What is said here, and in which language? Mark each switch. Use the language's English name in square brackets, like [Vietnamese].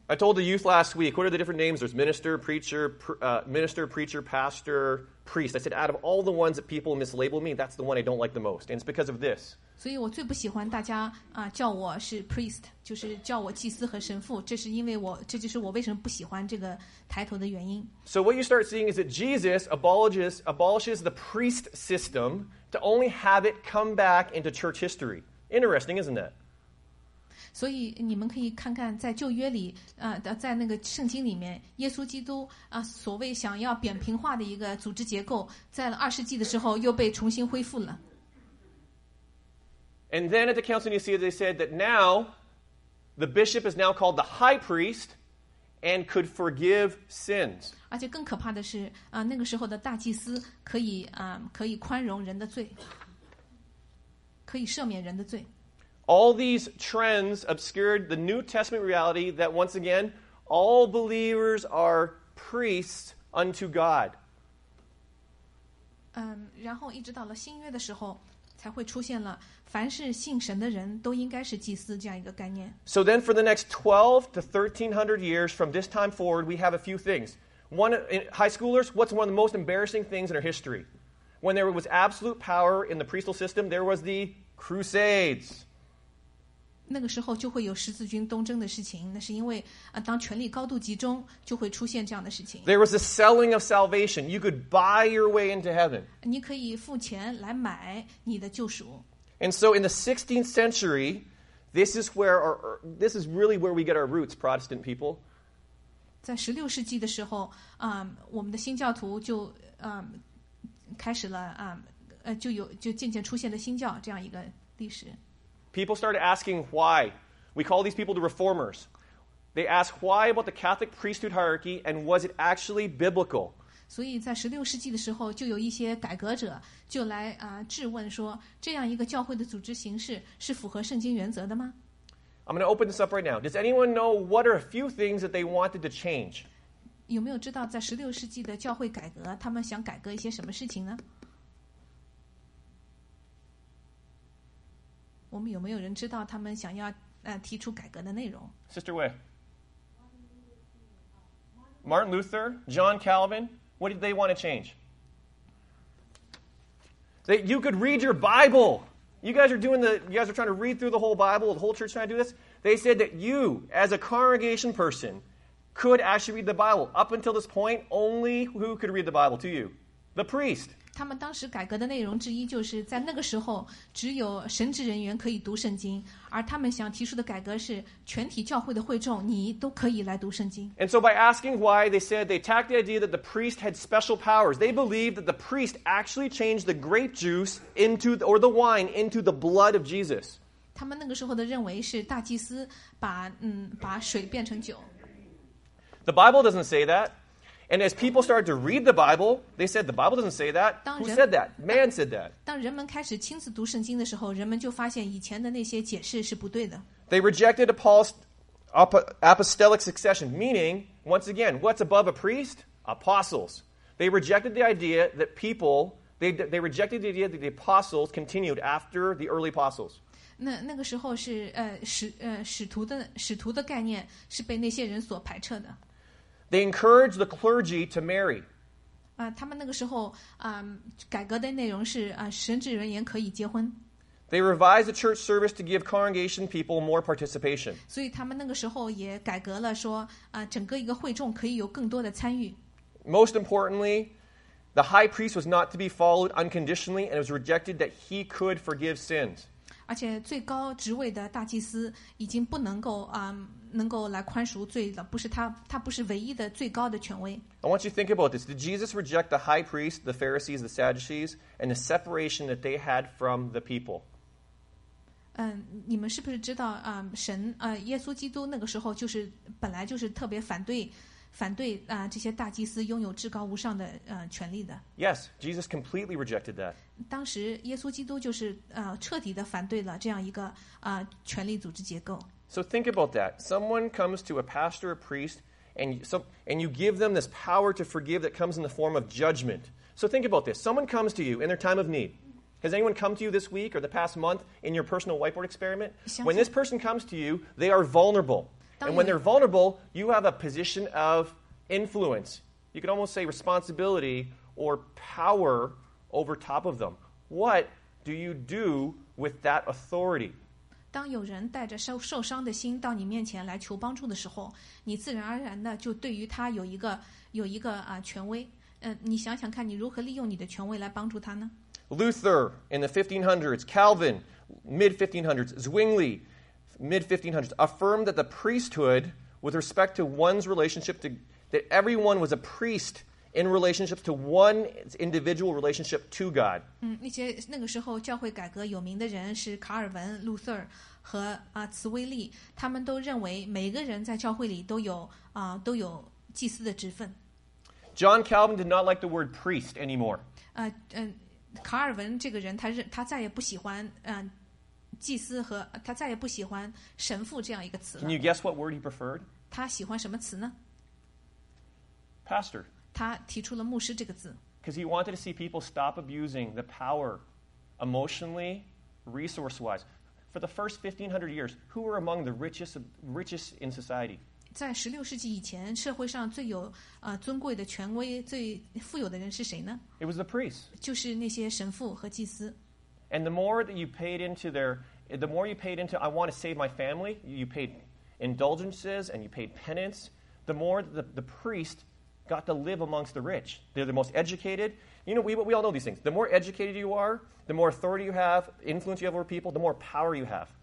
[English] I told the youth last week, what are the different names? There's minister, preacher, minister, preacher, pastor, priest. I said, out of all the ones that people mislabel me, that's the one I don't like the most, and it's because of this. [Chinese] 所以我最不喜欢大家叫我是 priest， 就是叫我祭司和神父，这就是我为什么不喜欢这个抬头的原因。 [English] So what you start seeing is that Jesus abolishes the priest system to only have it come back into church history. Interesting, isn't it? [Chinese] 所以你们可以看看，在旧约里，在那个圣经里面，耶稣基督所谓想要扁平化的一个组织结构，在二世纪的时候又被重新恢复了。 [English] And then at the Council of Nicaea, they said that now the bishop is now called the high priest and could forgive sins. [Chinese] 而且更可怕的是，那个时候的大祭司可以宽容人的罪。可以赦免人的罪。 [English] All these trends obscured the New Testament reality that once again, all believers are priests unto God. [Chinese] 然后一直到了新约的时候，才会出现了凡是信神的人都应该是祭司这样一个概念。 [English] So then for the next 12 to 1300 years from this time forward, we have a few things. One, high schoolers, what's one of the most embarrassing things in our history? When there was absolute power in the priestly system, there was the Crusades. [Chinese] 那个时候就会有十字军东征的事情，那是因为当权力高度集中就会出现这样的事情。 [English] There was a selling of salvation. You could buy your way into heaven. [Chinese] 你可以付钱来买你的救赎。 [English] And so in the 16th century, this is where our, this is really where we get our roots, Protestant people. [Chinese] 在16世纪的时候，我们的新教徒就开始了，就渐渐出现了新教这样一个历史。 [English] People started asking why. We call these people the reformers. They ask why about the Catholic priesthood hierarchy and was it actually biblical? [Chinese] 所以在16世纪的时候就有一些改革者就来质问说这样一个教会的组织形式是符合圣经原则的吗？ [English] I'm going to open this up right now. Does anyone know what are a few things that they wanted to change? [Chinese] 有没有知道在16世纪的教会改革他们想改革一些什么事情呢？我们有没有人知道他们想要提出改革的内容？ [English] Sister Wei, Martin Luther, John Calvin, what did they want to change? That you could read your Bible. You guys are doing the, you guys are trying to read through the whole Bible. The whole church trying to do this. They said that you, as a congregation person, could actually read the Bible. Up until this point, only who could read the Bible to you, the priest. [Chinese] 他们当时改革的内容之一就是在那个时候只有神职人员可以读圣经，而他们想提出的改革是全体教会的会众你都可以来读圣经。 [English] And so by asking why, they said they attacked the idea that the priest had special powers. They believed that the priest actually changed the grape juice into the, or the wine into the blood of Jesus. [Chinese] 他们那个时候的认为是大祭司把水变成酒。 [English] The Bible doesn't say that. And as people started to read the Bible, they said, the Bible doesn't say that. Who said that? Man said that. [Chinese] 当人们开始亲自读圣经的时候，人们就发现以前的那些解释是不对的。 [English] They rejected Paul's apostolic succession, meaning, once again, what's above a priest? Apostles. They rejected the idea that people, they rejected the idea that the apostles continued after the early apostles. [Chinese] 那个时候是使徒的概念是被那些人所排斥的。 [English] They encouraged the clergy to marry. [Chinese] 他们那个时候，改革的内容是，神职人员可以结婚。 [English] They revised the church service to give congregation people more participation. [Chinese] 所以他们那个时候也改革了说，整个一个会众可以有更多的参与。 [English] Most importantly, the high priest was not to be followed unconditionally, and it was rejected that he could forgive sins. [Chinese] 而且最高职位的大祭司已经不能够，能够来宽赎罪的，不是他，他不是唯一的最高的权威。 [English] I want you to think about this. Did Jesus reject the high priest, the Pharisees, the Sadducees, and the separation that they had from the people? [Chinese] 你们是不是知道，神，耶稣基督那个时候就是本来就是特别反对这些大祭司拥有至高无上的权力的。 [English] Yes, Jesus completely rejected that. [Chinese] 当时耶稣基督就是彻底的反对了这样一个权力组织结构。 [English] So think about that. Someone comes to a pastor, a priest, and you give them this power to forgive that comes in the form of judgment. So think about this. Someone comes to you in their time of need. Has anyone come to you this week or the past month in your personal whiteboard experiment? When this person comes to you, they are vulnerable. And when they're vulnerable, you have a position of influence. You could almost say responsibility or power over top of them. What do you do with that authority? [Chinese] 当有人带着受伤的心到你面前来求帮助的时候，你自然而然的就对于他有一个权威。你想想看，你如何利用你的权威来帮助他呢 [English] ？Luther in the 1500s, Calvin mid 1500s, Zwingli mid 1500s affirmed that the priesthood, with respect to one's relationship to that everyone was a priest. In relationships to one individual relationship to God. [Chinese] 那些那个时候教会改革有名的人是卡尔文、路瑟和茨威利，他们都认为每个人在教会里都有祭司的职分。 [English] John Calvin did not like the word priest anymore. [Chinese] 卡尔文这个人他再也不喜欢祭司和他再也不喜欢神父这样一个词。 [English] Can you guess what word he preferred? [Chinese] 他喜欢什么词呢 [English] ？Pastor. [Chinese] 他提出了牧师这个字 [English] because he wanted to see people stop abusing the power emotionally, resource-wise. For the first 1500 years, who were among the richest in society? [Chinese] 在16世纪以前，社会上最有尊贵的权威、最富有的人是谁呢？ [English] It was the priests. [Chinese] 就是那些神父和祭司。 [English] And the more that you paid into their The more you paid into, I want to save my family, you paid indulgences and you paid penance, the more the priest got to live amongst the rich. They're the most educated. You know, we all know these things. The more educated you are, the more authority you have, influence you have over people, the more power you have.